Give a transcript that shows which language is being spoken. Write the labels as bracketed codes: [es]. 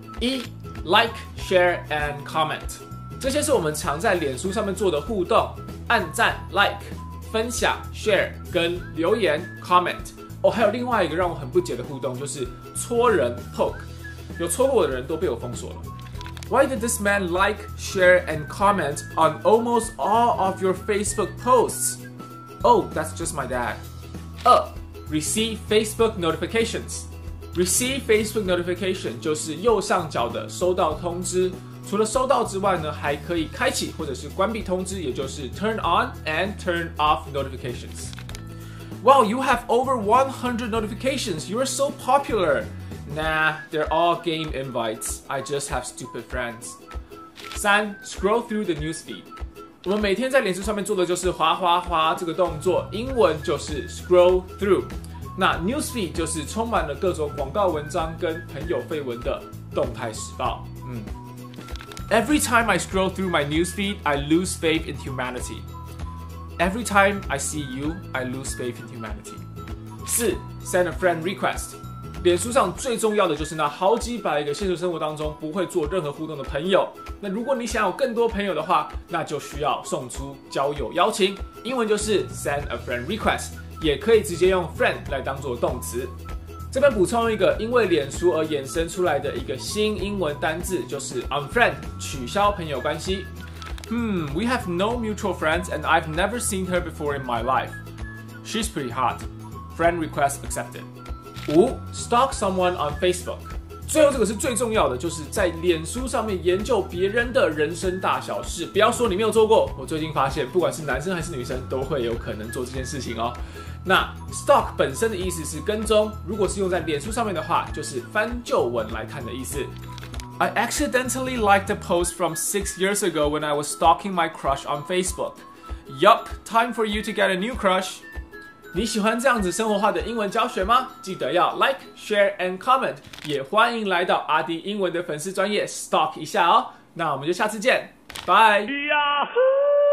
[en] 一 ，like, share and comment。 [zh] 这些是我们常在脸书上面做的互动，按赞 like 分享 share 跟留言 comment 哦，还有另外一个让我很不解的互动，就是戳人 poke， 有戳过我的人都被我封锁了。 [en] Why did this man like share and comment on almost all of your Facebook posts? Oh, that's just my dad. 二 receive Facebook notifications. Receive Facebook notification [zh] 就是右上角的收到通知。除了收到之外呢，还可以开启或者是关闭通知，也就是 [en] turn on and turn off notifications. Wow, you have over 100 notifications. You are so popular. Nah, they're all game invites. I just have stupid friends. 三 scroll through the news feed. [zh] 我们每天在脸书上面做的就是滑滑滑这个动作，英文就是 scroll through。那 news feed 就是充满了各种广告文章跟朋友绯闻的动态时报。 [en] Every time I scroll through my newsfeed, I lose faith in humanity. Every time I see you, I lose faith in humanity. 四 send a friend request. [zh] 脸书上最重要的就是那好几百个现实生活当中不会做任何互动的朋友。那如果你想有更多朋友的话，那就需要送出交友邀请，英文就是 [en] send a friend request， [zh] 也可以直接用 friend 来当作动词。这边补充一个因为脸书而衍生出来的一个新英文单字，就是 unfriend， 取消朋友关系。 [en] We have no mutual friends and I've never seen her before in my life. She's pretty hot. Friend request accepted. 五 stalk someone on Facebook. [zh] 最后这个是最重要的，就是在脸书上面研究别人的人生大小事。不要说你没有做过，我最近发现不管是男生还是女生都会有可能做这件事情哦。那 stalk 本身的意思是跟踪，如果是用在脸书上面的话，就是翻旧文来看的意思。 [en] I accidentally liked a post from 6 years ago when I was stalking my crush on Facebook. Yup, time for you to get a new crush. [zh] 你喜欢这样子生活化的英文教学吗？记得要 [en] like, share and comment， [zh] 也欢迎来到阿迪英文的粉丝专页 stalk 一下哦。那我们就下次见，拜。 Yahoo!